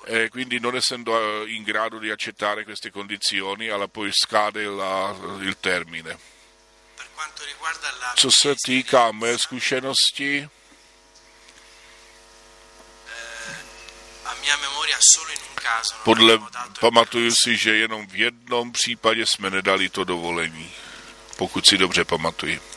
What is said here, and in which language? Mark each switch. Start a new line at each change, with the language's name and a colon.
Italian: Quindi non essendo in grado di accettare queste condizioni, alla poi scade il termine. Per quanto riguarda la
Czech: co se týká mé zkušenosti,
Italian: a mia memoria solo in un caso.
Czech: Pamatuju si, že jenom v jednom případě jsme nedali to dovolení, pokud si dobře pamatuji.